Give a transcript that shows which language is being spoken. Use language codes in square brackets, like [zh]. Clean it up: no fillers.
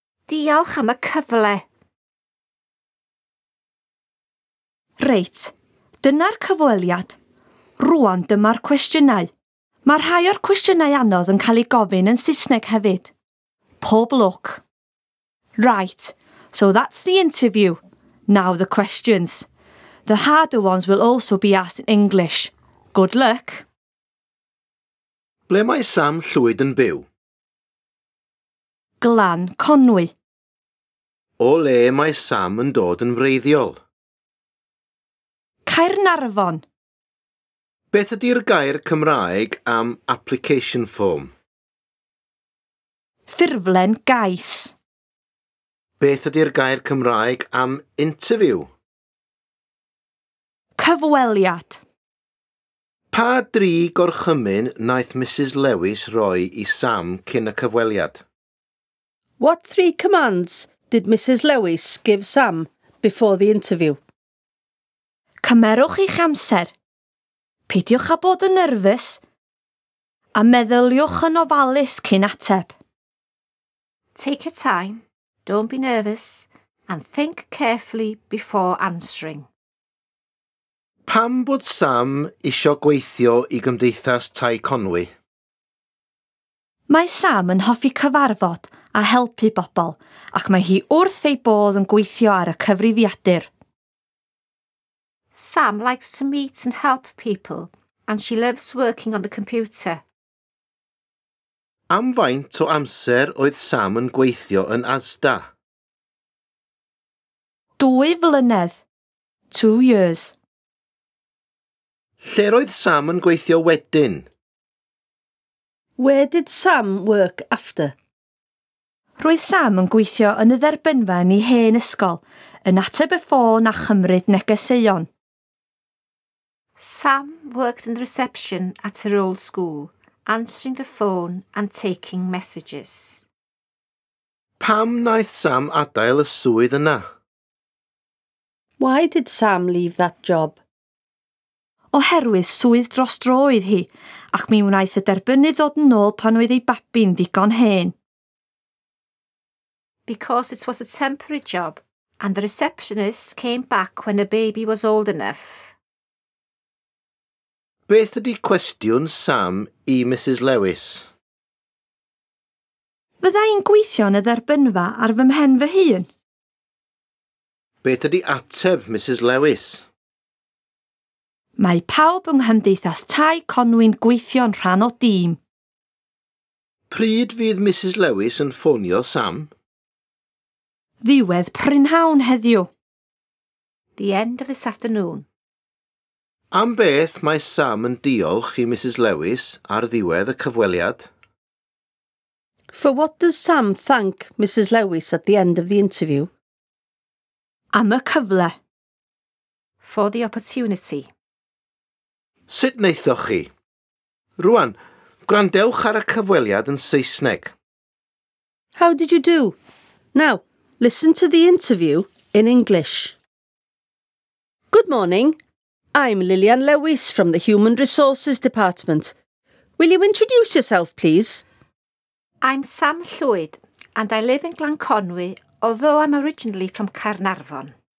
[cy] Diolch am y cyfle. Reit, dyna'r cyfweliad. Rwan dyma'r cwestiynau. Mae rhai o'r cwestiynau anodd yn cael eu gofyn yn Saesneg hefyd. Pob lwc. [en] Right, so that's the interview. Now the questions. The harder ones will also be asked in English. Good luck. [cy] Ble mae Sam Llwyd yn byw? Glan Conwy. O le mae Sam yn dod yn wreiddiol? Caernarfon. Beth ydy'r gair Cymraeg am application form? Ffurflen gais. Beth ydy'r gair Cymraeg am interview? Cyfweliad. Pa 3 gorchymyn naeth Mrs Lewis roi i Sam cyn y cyfweliad? [en] What 3 commands did Mrs Lewis give Sam before the interview? [cy] Cymerwch eich amser, peidiwch â bod yn nerfus, a meddyliwch yn ofalus cyn ateb. [en] Take your time, don't be nervous, and think carefully before answering. [cy] Pam bod Sam isio gweithio i Gymdeithas Tai Conwy? Mae Sam yn hoffi cyfarfod a helpu bobl, ac mae hi wrth ei bodd yn gweithio ar y cyfrifiadur. [en] Sam likes to meet and help people, and she loves working on the computer. [cy] Am faint o amser oedd Sam yn gweithio yn ASDA? 2 flynedd. [en] 2 years. [cy] Lle roedd Sam yn gweithio wedyn? [en] Where did Sam work after? [cy] Roedd Sam yn gweithio yn y dderbynfa yn ei hen ysgol, yn ateb y ffôn a chymryd negeseuon. [en] Sam worked in the reception at her old school, answering the phone and taking messages. [cy] Pam naeth Sam adael y swydd yna? [en] Why did Sam leave that job? [cy] Oherwydd swydd dros dro oedd hi, ac mi wnaeth y derbynydd ddod yn ôl pan oedd ei babi'n ddigon hen. [en] Because it was a temporary job, and the receptionist came back when the baby was old enough. [cy] Beth ydy cwestiwn Sam i Mrs Lewis? Fyddai'n gweithio yn y dderbynfa ar fy mhen fy hun. Beth ydy ateb Mrs Lewis? Mae pawb yng nghymdeithas tai Conwy'n gweithio yn rhan o dîm. Pryd fydd Mrs Lewis yn ffonio Sam? Ddiwedd prynhawn heddiw. [en] The end of this afternoon. [cy] Am beth mae Sam yn diolch i Mrs Lewis ar ddiwedd y cyfweliad? [en] For what does Sam thank Mrs Lewis at the end of the interview? [cy] Am y cyfle. [en] For the opportunity. [cy] Sut wnaethoch chi? Rwan, gwrandewch ar y cyfweliad yn Saesneg. [en] How did you do? Now, listen to the interview in English. Good morning. I'm Lillian Lewis from the Human Resources Department. Will you introduce yourself, please? I'm Sam Llwyd, and I live in Glanconwy, although I'm originally from Caernarfon.